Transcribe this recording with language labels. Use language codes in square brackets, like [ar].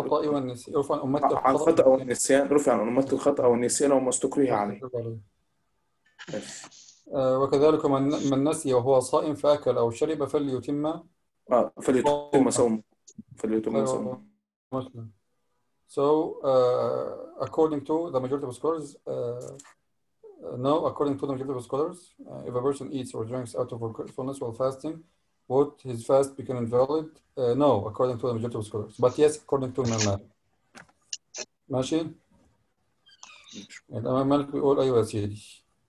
[ar] الخطأ والنسيان رفع عن أمة الخطأ عن الخطأ والنسيان رفع عن أمة الخطأ والنسيان وما استكره عليه. وكذلك من نسي وهو صائم فأكل أو شرب فليتم فليتم صوم فليتم صوم. [en] So according to the majority of scholars no according to the majority of scholars if a person eats or drinks out of forgetfulness while fasting would his fast become invalid? No, according to the majority of scholars. But yes, according to Imam Malik. [ar] ماشي؟ Imam Malik بيقول أيوة يا سيدي.